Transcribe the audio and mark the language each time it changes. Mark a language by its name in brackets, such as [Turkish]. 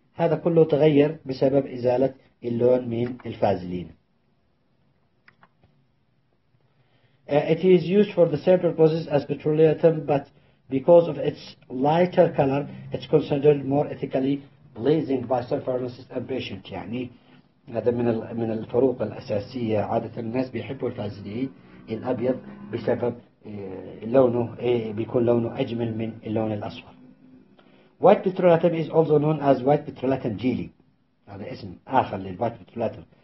[Arabic] هذا كله تغير بسبب إزالة اللون من الفازلين. [English] It is used for the same purposes as petroleum, but because of its lighter color, it's considered more ethically pleasing by some pharmacists and patients. [Arabic] يعني هذا من الفروق الأساسية. عادة الناس بيحبوا الفازلين الأبيض بسبب لونه، بيكون لونه أجمل من اللون الأصفر. [English] White petrolatum is also known as white petrolatum jelly. [Arabic] هذا اسم آخر لل white petrolatum.